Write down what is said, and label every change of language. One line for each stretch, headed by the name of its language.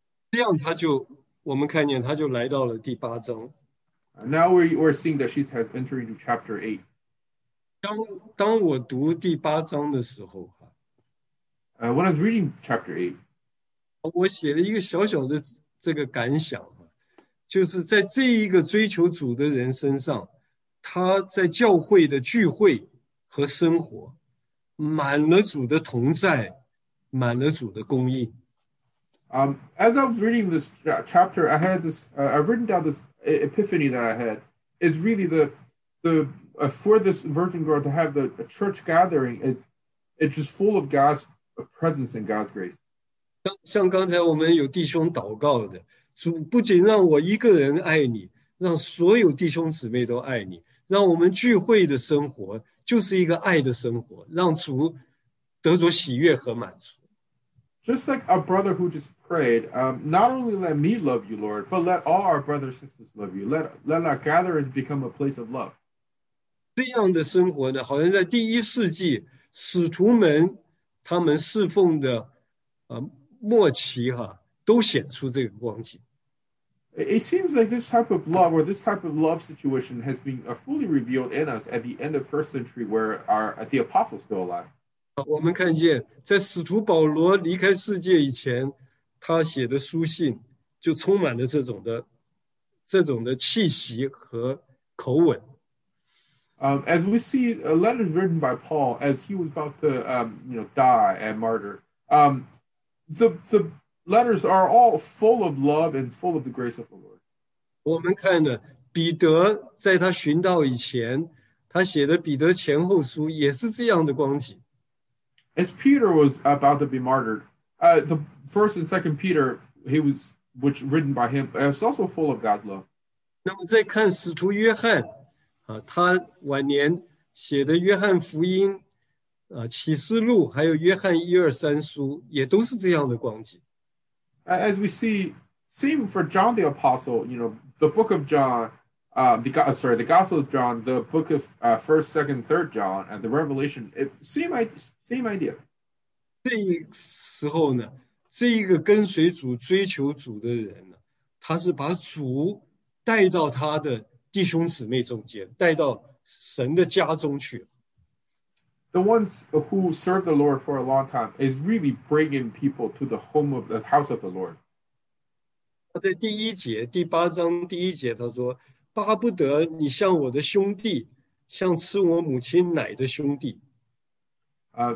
Chinese: 这样他就，我们看见他就来到了第八章。
English: Now we're seeing that she has entered into chapter 8.
Chinese: 当我读第八章的时候，
English: When I was reading chapter 8,
Chinese: 我写了一个小小的这个感想，就是在这一个追求主的人身上，他在教会的聚会和生活，满了主的同在，满了主的供应。
English: As I was reading this chapter, I had this, I've written down this epiphany that I had. It's really for this virgin girl to have the church gathering, it's just full of God's presence and God's grace.
Chinese: 像刚才我们有弟兄祷告的，主不仅让我一个人爱你，让所有弟兄姊妹都爱你，让我们聚会的生活就是一个爱的生活，让主得着喜悦和满足。
English: Just like a brother who just prayed, not only let me love you, Lord, but let all our brothers and sisters love you. Let our gathering become a place of love.
Chinese: 这样的生活呢，好像在第一世纪使徒们他们侍奉的末期都显出这个光景。
English: It seems like this type of love or this type of love situation has been fully revealed in us at the end of first century where the apostles still alive.
Chinese: 我们看见在使徒保罗离开世界以前，他写的书信就充满了这种的气息和口吻。
English: As we see letters written by Paul as he was about to, die and martyr, the letters are all full of love and full of the grace of the Lord.
Chinese: 我们看呢，彼得在他殉道以前，他写的彼得前后书也是这样的光景。
English: As Peter was about to be martyred, the first and second Peter, which written by him, is also full of God's love.
Chinese: 那么再看使徒约翰。他晚年写的约翰福音，启示录还有约翰一二三书也都是这样的光景。
English: As we see, same for John the Apostle, you know, the book of John, the Gospel of John, the book of 1st, 2nd, 3rd John, and the Revelation, it, same idea.
Chinese: 这时候呢，这一个跟随主、追求主的人呢，他是把主带到他的弟兄姊妹中间，带到神的家中去。
English: The ones who serve the Lord for a long time is really bringing people to the home of the house of the Lord.
Chinese: 在第一节，第八章第一节，他说：“巴不得你像我的兄弟，像吃我母亲奶的兄弟。”